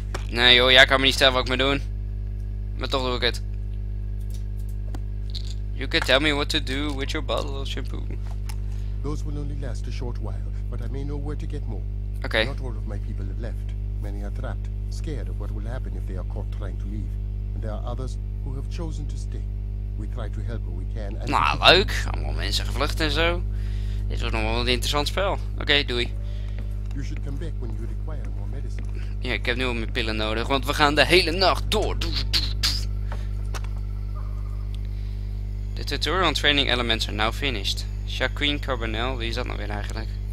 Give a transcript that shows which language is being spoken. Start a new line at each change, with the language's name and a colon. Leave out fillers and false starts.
Dutch: Nee joh, jij kan me niet stellen wat ik moet doen. Maar toch doe ik het.
English: You can tell me what to do with your bottle of shampoo. Those will only last a short while, but I may know where to get more. Okay. Not all of my people have left. Many are trapped, scared of what will happen if they are caught trying to leave. And there are others who have chosen to stay. We try to help where we can.
Dutch: Nou, leuk. Allemaal mensen gevlucht en zo. Dit wordt nog wel een interessant spel. Oké, doei.
English: You should come back when you require more medicine.
Dutch: Ja, ik heb nu al mijn pillen nodig, want we gaan de hele nacht door. De
English: tutorial training elements are now finished.
Dutch: Jacqueline Carbonell, wie is dat nou weer eigenlijk?